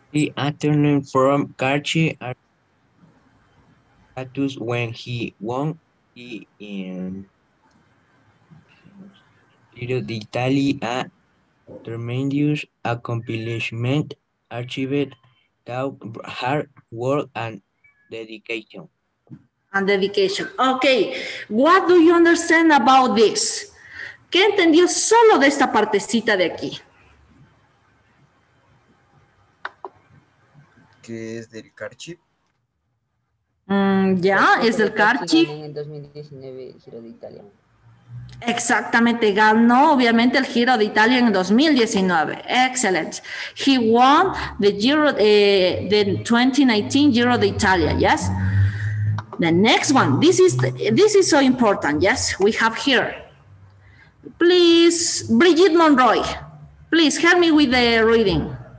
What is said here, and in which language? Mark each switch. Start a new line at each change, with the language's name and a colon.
English: The attorney from Carchi Atus when he won the Giro d'Italia. Tremendous accomplishment, achieved through hard work and dedication. And dedication. Okay. What do you understand about this?
Spanish: ¿Qué entendió solo de esta partecita de aquí? ¿Qué es del Carchi? Es del Carchi. En 2019, Giro de Italia. Exactamente, ganó obviamente el Giro de Italia en 2019.
English: Excellent. He won the Giro, the 2019 Giro de Italia, yes? The next one, this is so important, yes? We have here, please, Brigitte Monroy, please help me with the reading.